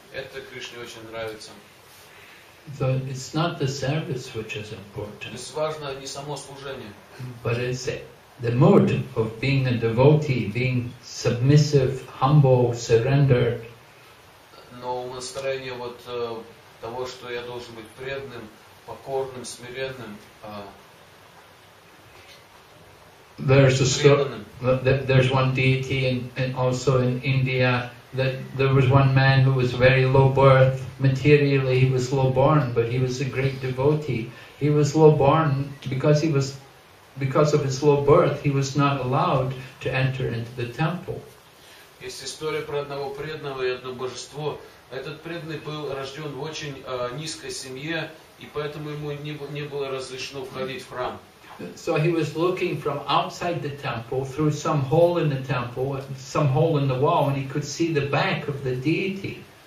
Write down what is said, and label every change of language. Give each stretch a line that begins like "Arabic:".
Russian: Это Кришне очень нравится.
English: So it's not the service which is important.
Russian: То есть важно не само служение.
English: But it's the mood of being a devotee, being submissive, humble, surrendered.
Russian: Но настроение вот того, что я должен быть преданным, покорным, смиренным.
English: There's one deity in also in India that there was one man who was very low birth. Materially he was low born, but he was a great devotee. He was low born because of his low birth, he was not allowed to enter into the temple.
Russian: Есть история про одного преданного и одно божество. Этот преданный был рожден в очень низкой семье, и поэтому ему не было разрешено входить в храм.
English: So he was looking from outside the temple through some hole in the temple, some hole in the wall, and he could see the back of the deity.